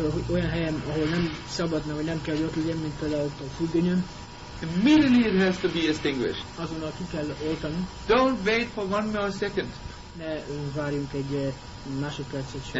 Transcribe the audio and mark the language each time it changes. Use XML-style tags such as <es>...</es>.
<hu>Olyan helyen, ahol nem szabadna, vagy nem kell, hogy ott legyen, mint például ott a függönyön.</hu> <en>Immediately it has to be extinguished.</en> <hu>Azonnal ki kell oltani.</hu> <en>Don't wait for one more second.</en> <hu>Ne várjunk egy másodpercet sem.</hu>